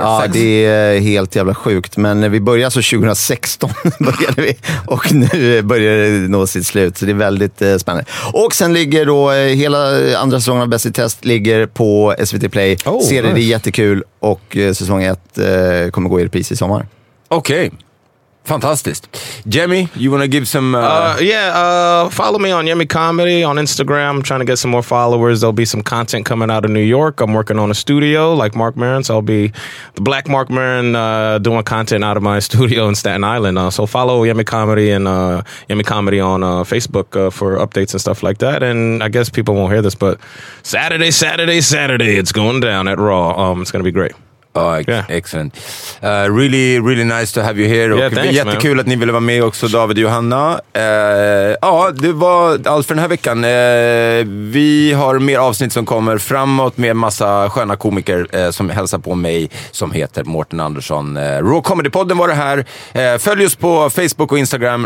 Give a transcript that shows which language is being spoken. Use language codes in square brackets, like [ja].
[sv] Ja, det är helt jävla sjukt. Men vi började så 2016 började vi, och nu börjar det nå sitt slut. Så det är väldigt spännande. Och sen ligger då hela andra säsongen Bäst i test ligger på SVT Play. Oh, serien är jättekul, och säsong 1 kommer gå i repris i sommar. [en] Okej. Okay. Fantastiskt. Jemmy, you wanna give some follow me on Jemmy Comedy on Instagram. I'm trying to get some more followers. There'll be some content coming out of New York. I'm working on a studio like Marc Maron, so I'll be the Black Marc Maron doing content out of my studio in Staten Island. So follow Yemi Comedy and Yemi Comedy on Facebook for updates and stuff like that. And I guess people won't hear this, but Saturday, it's going down at Raw. It's going to be great. Excellent. Really, really nice to have you here. Yeah, thanks, [sv] jättekul, [en] man, [sv] att ni ville vara med också, David och Johanna. Ja, det var allt för den här veckan. Vi har mer avsnitt som kommer framåt med massa sköna komiker som hälsar på mig, som heter Mårten Andersson. Raw Comedy-podden var det här. Följ oss på Facebook och Instagram.